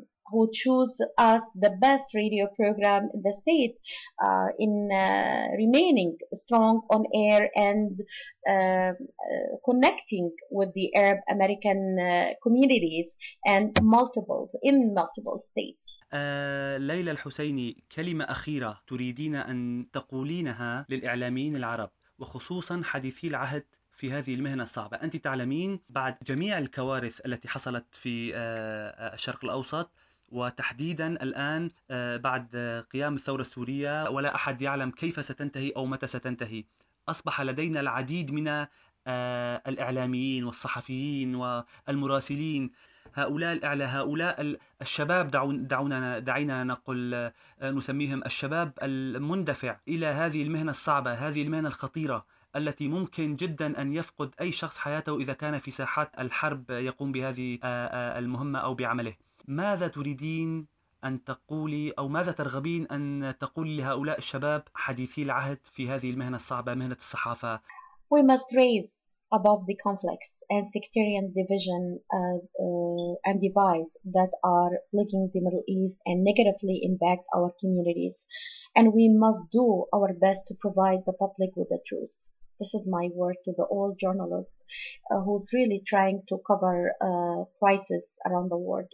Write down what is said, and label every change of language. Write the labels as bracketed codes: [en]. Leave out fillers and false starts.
[en] who choose us the best radio program in the state in remaining strong on air and connecting with the Arab American communities and multiple states. [ar] ليلى الحسيني كلمة أخيرة تريدين أن تقولينها للإعلاميين العرب وخصوصا حديثي العهد في هذه المهنة الصعبة أنت تعلمين بعد جميع الكوارث التي حصلت في الشرق الأوسط وتحديدا الآن بعد قيام الثورة السورية ولا أحد يعلم كيف ستنتهي أو متى ستنتهي أصبح لدينا العديد من الإعلاميين والصحفيين والمراسلين، هؤلاء الشباب، دعينا نقول نسميهم الشباب المندفع إلى هذه المهنة الصعبة، هذه المهنة الخطيرة التي ممكن جدا أن يفقد أي شخص حياته إذا كان في ساحات الحرب يقوم بهذه المهمة أو بعمله. ماذا تريدين أن تقولي، أو ماذا ترغبين أن تقولي لهؤلاء الشباب حديثي العهد في هذه المهنة الصعبة، مهنة الصحافة؟ [en] We must raise above the conflicts and sectarian division and divides that are plaguing the Middle East and negatively impact our communities. And we must do our best to provide the public with the truth. This is my word to the old journalist who's really trying to cover crisis around the world.